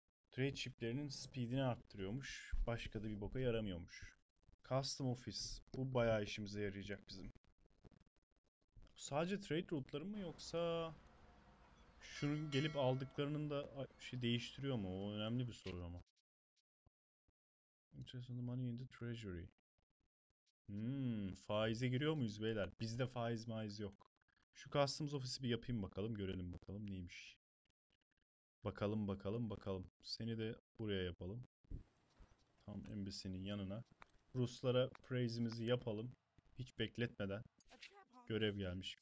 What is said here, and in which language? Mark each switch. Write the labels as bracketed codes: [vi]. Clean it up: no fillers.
[tr] Trade shiplerinin speedini arttırıyormuş. Başka da bir boka yaramıyormuş. Custom office. Bu bayağı işimize yarayacak bizim. Sadece trade route'ları mı yoksa şunu gelip aldıklarının da şey değiştiriyor mu? O önemli bir soru ama. [en] Interest on the money in the treasury. [tr] Faize giriyor muyuz beyler? Bizde faiz maiz yok. Şu customs office'i bir yapayım bakalım. Görelim bakalım neymiş. Bakalım bakalım bakalım. Seni de buraya yapalım. Tam embassy'nin yanına. Ruslara praise'imizi yapalım. Hiç bekletmeden. Görev gelmiş.